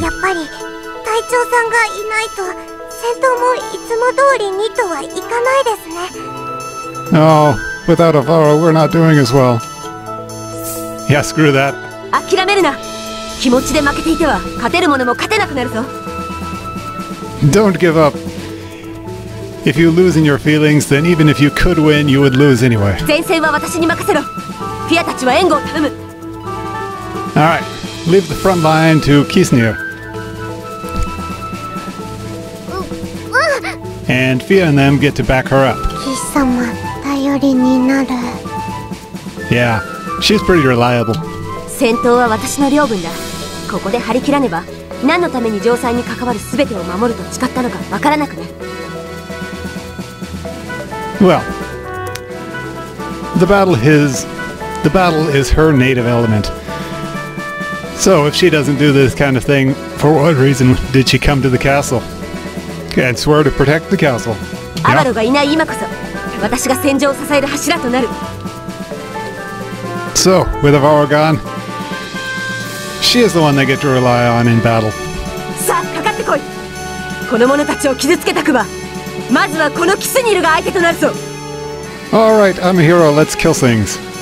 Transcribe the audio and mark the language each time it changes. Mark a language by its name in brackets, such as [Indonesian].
[English] Oh, without Avaro, we're not doing as well. Yeah, screw that. [Japanese] 諦めるな! 気持ちで負けていては勝てるものも勝てなくなるぞ! [English] Don't give up. If you lose in your feelings, then even if you could win, you would lose anyway. [Japanese] 前線は私に任せろ! フィアたちは援護を頼む! [English] Alright, leave the front line to Kisnir. And Fia and them get to back her up. [Japanese] キス様、頼りになる。 [English] Yeah. She's pretty reliable. [Japanese] 戦闘は私の領分だ。ここで張り切らねば、何のために城塞に関わる全てを守ると誓ったのかわからなくなる。 [English] Well, the battle is her native element. So if she doesn't do this kind of thing, for what reason did she come to the castle? And swear to protect the castle. [Japanese] アバロがいない今こそ、私が戦場を支える柱となる。 [English] So, with Avaro gone, she is the one they get to rely on in battle. [Japanese] さあ、かかってこい。この者たちを傷つけたくば、まずはこのキスニルが相手となるぞ。 [English] All right, I'm a hero, let's kill things.